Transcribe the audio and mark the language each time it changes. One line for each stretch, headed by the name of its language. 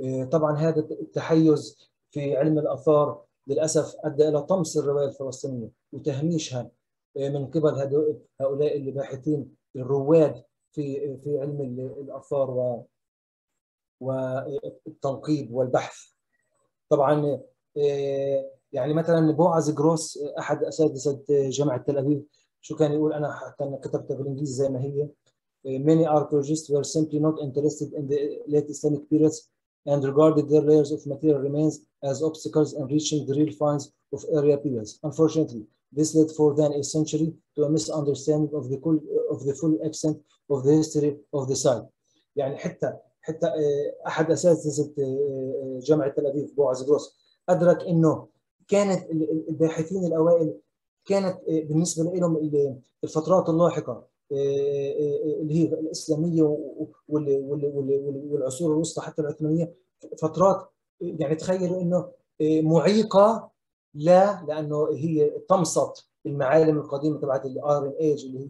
Arabic: طبعا هذا التحيز في علم الآثار للأسف أدى إلى طمس الرواية الفلسطينية وتهميشها من قبل هؤلاء الباحثين الرواد في علم الآثار والتنقيب والبحث. طبعا يعني مثلا بوعز جروس احد اساتذه جامعه تل ابيب شو كان يقول، انا حتى كتبت بالانجليزي زي ما هي:
English: Many archaeologists were simply not interested in the late Islamic periods and regarded their layers of material remains as obstacles in reaching the real finds of earlier periods. Unfortunately, this led for then a century to a misunderstanding of the full extent of the history of the site.
Arabic: يعني حتى احد اساتذه جامعه تل ابيب بوعز جروس ادرك انه كانت الباحثين الاوائل كانت بالنسبه لهم الفترات اللاحقه اللي هي الاسلاميه والعصور الوسطى حتى العثمانيه فترات يعني تخيلوا انه معيقه، لانه هي طمست المعالم القديمه تبعت الايرون ايج